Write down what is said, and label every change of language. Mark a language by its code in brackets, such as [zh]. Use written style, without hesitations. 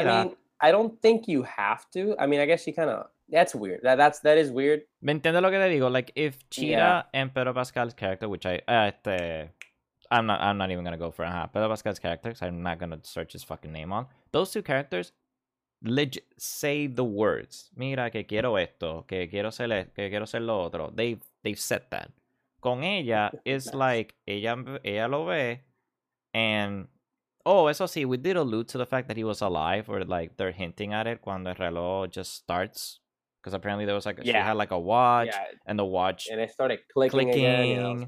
[en] I mean, I don't think you have to. I mean, I guess she kind of... That's weird. That is weird. [es] ¿Me entiendes lo que te digo? [en] Like, if Cheetah and Pedro Pascal's character, which I... I'm not even going to go for it. Huh? Pedro Pascal's character, because I'm not going to search his fucking name on. Those two characters... Legit say the words. [es] Mira que quiero esto, que quiero ser lo otro. [en] They've said that. [es] Con ella, [en] it's nice. Like [es] ella lo ve, [en] and oh, [es] eso sí, [en] we did allude to the fact that he was alive, or like they're hinting at it [es] cuando el reloj [en] just starts, because apparently there was like she had like a watch, and the watch and it started clicking. Again. Yeah,